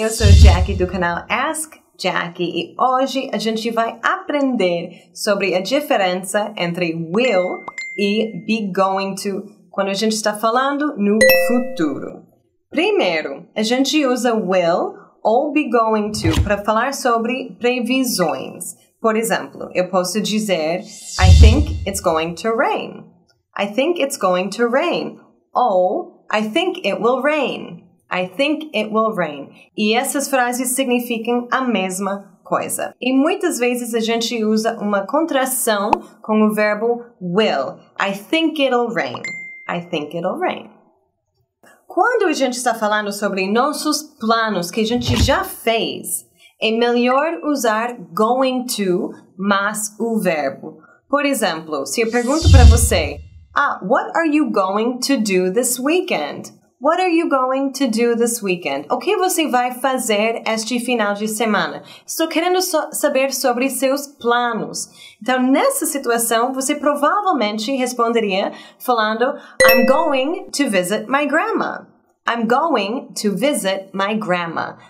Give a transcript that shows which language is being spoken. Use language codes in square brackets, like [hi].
[pt] Eu sou a Jackie do canal Ask Jackie e hoje a gente vai aprender sobre a diferença entre will e be going to quando a gente está falando no futuro. Primeiro, a gente usa will ou be going to para falar sobre previsões. Por exemplo, eu posso dizer [en] I think it's going to rain. I think it's going to rain. [pt] Ou [en] I think it will rain. I think it will rain. [pt] E essas frases significam a mesma coisa. E muitas vezes a gente usa uma contração com o verbo will. [en] I think it'll rain. [pt] I think it'll rain. Quando a gente está falando sobre nossos planos que a gente já fez, é melhor usar going to mais o verbo. Por exemplo, se eu pergunto para você, [en] what are you going to do this weekend? What are you going to do this weekend? [pt] O que você vai fazer este final de semana? Estou querendo saber sobre seus planos. Então, nessa situação, você provavelmente responderia falando [en] I'm going to visit my grandma. I'm going to visit my grandma.